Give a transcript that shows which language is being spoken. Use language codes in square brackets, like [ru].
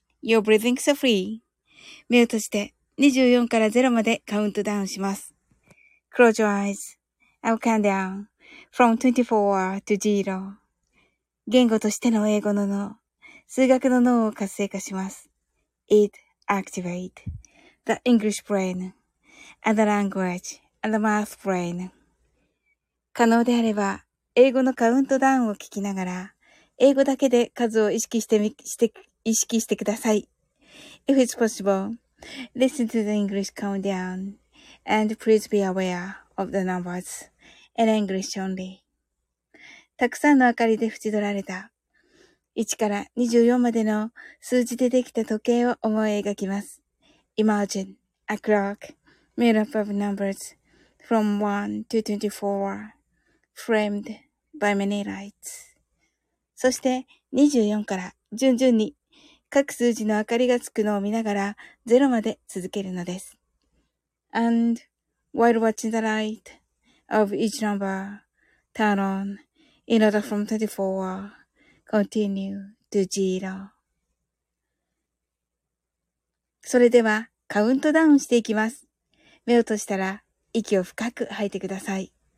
[en] Your breathing is free. [ja] 目を閉じて24から0までカウントダウンします。 [en] Close your eyes. I'll count down from 24 to 0. [ja] 言語としての英語の脳、数学の脳を活性化します。 [en] It activates the English brain and the language. And the math brain. [ja] 可能であれば、英語のカウントダウンを聞きながら、英語だけで数を意識してください。 [en] If it's possible, listen to the English countdown and please be aware of the numbers in English only. [ja] たくさんの明かりで縁取られた、1から24までの数字でできた時計を思い描きます。 [en] Imagine a clock made up of numbers. From 1 to 24, framed by many lights. [ja] そして24から順々に各数字の明かりがつくのを見ながら0まで続けるのです。 [en] And while watching the light of each number turn on in order from 24, continue to 0. [ja] それではカウントダウンしていきます。目を閉じたら息を深く吐いてください。